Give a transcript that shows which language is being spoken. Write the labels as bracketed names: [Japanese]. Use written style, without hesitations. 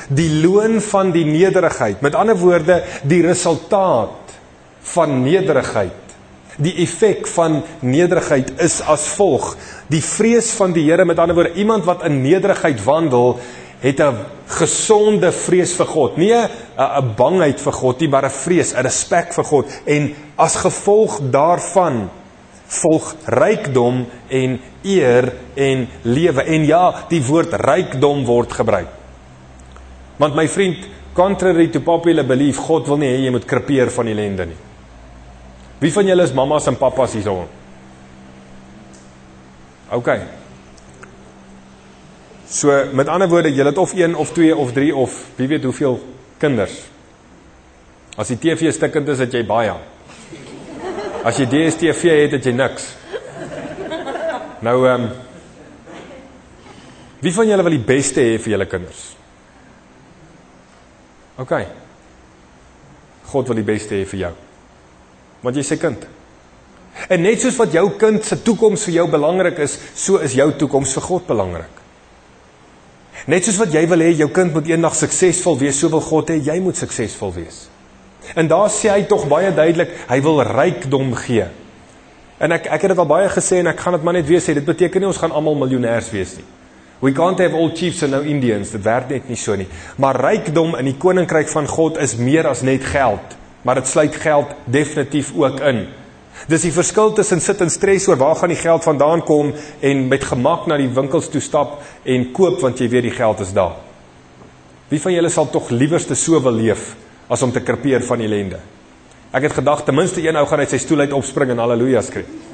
[Afrikaans] Die loon van die nederigheid, met ander woorde, die resultaat van nederigheid, die effek van nederigheid is as volg. Die vrees van die Here, met ander woorde, iemand wat in nederigheid wandel, het 'n gesonde vrees vir God. Nie 'n bangheid vir God, nie, maar 'n vrees, 'n respek vir God. En as gevolg daarvan, volg rykdom en eer en lewe. En ja, die woord rykdom word gebruik. Want my vriend, [English] contrary to popular belief, [Afrikaans] God wil nie hê jy moet krepeer van ellende nie. Wie van julle is mamas en papas hierso? OK. So, met ander woorde, julle het of 1 of 2 of 3 of wie weet hoeveel kinders. As die TV stikkend is, het jy baie. As jy DSTV het, het jy niks. Nou, wie van julle wil die beste hê vir julle kinders? OK. God wil die beste hê vir jou. Want jy is sy kind. En net soos wat jou kind se toekoms vir jou belangrik is, so is jou toekoms vir God belangrik. Net soos wat jy wil hê, jou kind moet eendag suksesvol wees, so wil God hê, jy moet suksesvol wees. En daar sê hy toch baie duidelik, hy wil rykdom gee. En ek het dit al baie gesê en ek gaan dit maar net weer sê, dit beteken nie ons gaan allemaal miljonairs wees nie. [English] We can't have all chiefs and no Indians. [Afrikaans] Dit werk net nie so nie. Maar rykdom in die koninkryk van God is meer as net geld. Maar het sluit geld definitief ook in. Dis die verskil tussen sit in stress oor waar gaan die geld vandaan kom en met gemak na die winkels toe stap en koop want jy weet die geld is daar. Wie van julle sal tog liewerste so wil leef as om te krepeer van ellende? Ek het gedacht, ten minste een ou gaan uit sy stoel uit opspring en halleluja skree.